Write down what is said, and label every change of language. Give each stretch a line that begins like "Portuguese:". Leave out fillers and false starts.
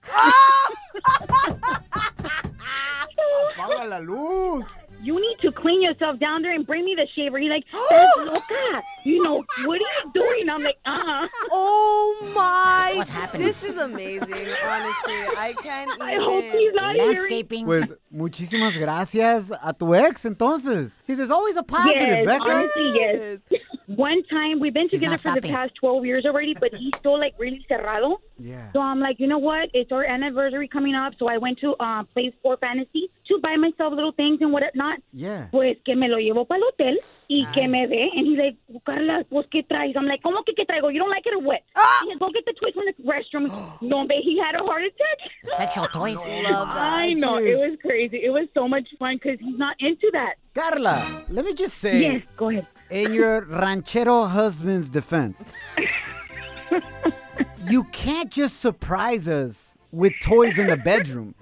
Spanish: Apaga la luz.
English: You need to clean yourself down there and bring me the shaver. He's like, that's loca. You know, what are you doing? I'm like, Oh, my. What's happening? This is amazing, honestly. I can't even. I hope he's not here. Landscaping.
Spanish: Pues, muchísimas gracias a tu ex, entonces.
English: See, there's always a positive, yes, Becca. Honestly, yes. One time, we've been together for the past 12 years already, but he's still, like, really cerrado. Yeah. So I'm like, you know what? It's our anniversary coming up, so I went to Play 4 Fantasy to buy myself little things and whatnot. Yeah.
Spanish: Pues que me lo llevo para el hotel y que me ve.
English: And he's like, oh,
Spanish: Carla, pues, ¿qué traes?
English: I'm like,
Spanish: ¿cómo que qué traigo?
English: You don't like it or what? Ah! He said, go get the toys from the restroom. No, babe, he had a heart attack. Sexual toys. I know. Jeez. It was crazy. It was so much fun because he's not into that. Carla, let me just say. Yes, go ahead. In your ranchero husband's defense, you can't just surprise us with toys in the bedroom.